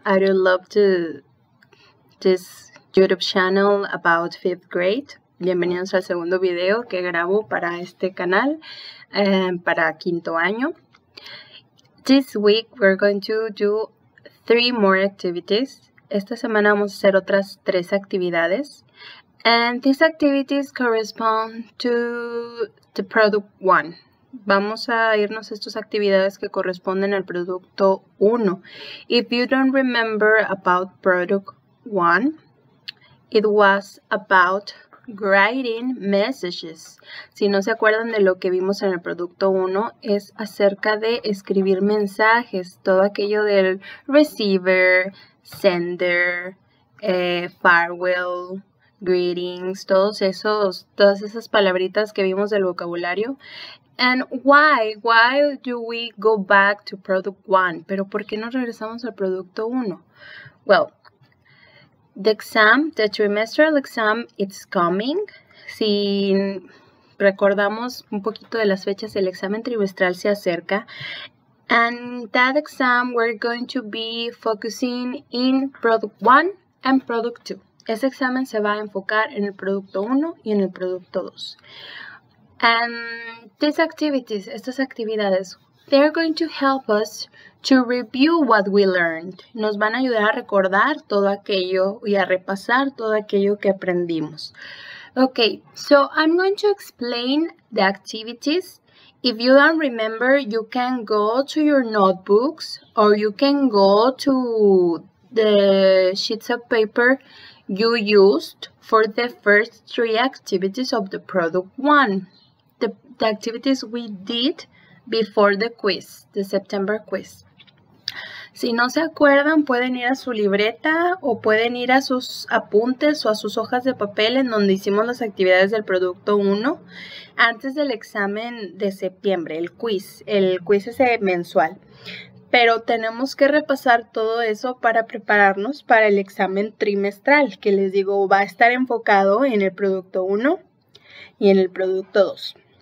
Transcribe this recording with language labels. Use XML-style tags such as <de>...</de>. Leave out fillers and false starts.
<en>I do love to this YouTube channel about fifth grade.</en> <es>Bienvenidos al segundo video que grabo para este canal para quinto año.</es> <en>This week we're going to do three more activities.</en> <es>Esta semana vamos a hacer otras tres actividades.</es> <en>And these activities correspond to the product one.</en> <es>Vamos a irnos a estas actividades que corresponden al producto 1.</es> <en>If you don't remember about product 1, it was about writing messages.</en> <es>Si no se acuerdan de lo que vimos en el producto 1, es acerca de escribir mensajes. Todo aquello del receiver, sender, farewell, greetings, todas esas palabritas que vimos del vocabulario.</es> <en>And why do we go back to product 1?</en> <es>¿Pero por qué nos regresamos al producto 1?</es> <en>Well, the exam, the trimestral exam, it's coming.</en> <es>Si recordamos un poquito de las fechas, el examen trimestral se acerca.</es> <en>And that exam, we're going to be focusing in product 1 and product 2.</en> <es>Ese examen se va a enfocar en el producto 1 y en el producto 2.</es> <en>And these activities,</en> <es>estas actividades,</es> <en>they're going to help us to review what we learned.</en> <es>Nos van a ayudar a recordar todo aquello y a repasar todo aquello que aprendimos.</es> <en>Okay, so I'm going to explain the activities. If you don't remember, you can go to your notebooks or you can go to the sheets of paper you used for the first three activities of the product one. The activities we did before the quiz, the September quiz.</en> <es>Si no se acuerdan, pueden ir a su libreta o pueden ir a sus apuntes o a sus hojas de papel en donde hicimos las actividades del producto 1 antes del examen de septiembre, el quiz. El quiz es mensual. Pero tenemos que repasar todo eso para prepararnos para el examen trimestral, que les digo, va a estar enfocado en el producto 1 y en el producto 2.</es>